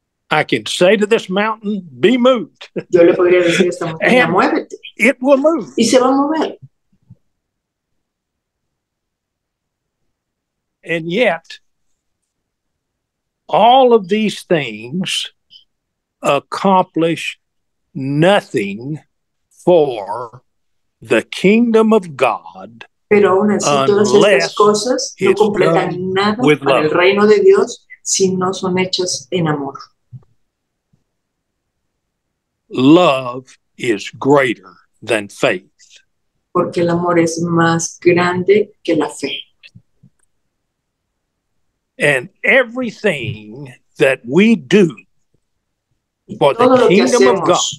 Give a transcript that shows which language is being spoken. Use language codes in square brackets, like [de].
[en] I can say to this mountain, be moved. [es] Yo le podría decir a esta montaña, muévete. [en] It will move. [es] Y se va a mover. [en] And yet, all of these things accomplish nothing for the kingdom of God. [es] Pero aún así, todas estas cosas no completan nada para love. El reino de Dios si no son hechas en amor. [en] Love is greater than faith. [es] Porque el amor es más grande que la fe. [en] And everything that we do for the kingdom of God